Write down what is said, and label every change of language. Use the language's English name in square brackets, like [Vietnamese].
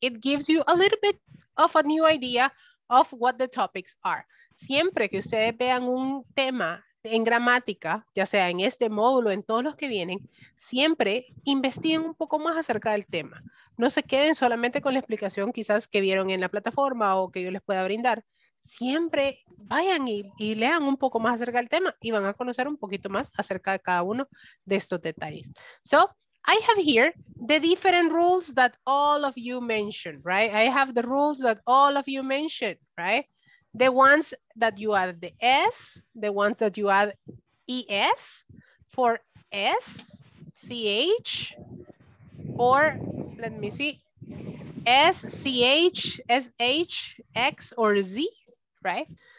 [English] It gives you a little bit of a new idea of what the topics are. [Spanish] Siempre que ustedes vean un tema en gramática, ya sea en este módulo, en todos los que vienen, siempre investiguen un poco más acerca del tema. No se queden solamente con la explicación quizás que vieron en la plataforma o que yo les pueda brindar. Siempre vayan y lean un poco más acerca del tema y van a conocer un poquito más acerca de cada uno de estos detalles. [English] So, I have here the different rules that all of you mentioned, right? I have the rules that all of you mentioned, right? The ones that you add the S, the ones that you add ES for S, CH, or let me see, S, CH, SH, X, or Z, right?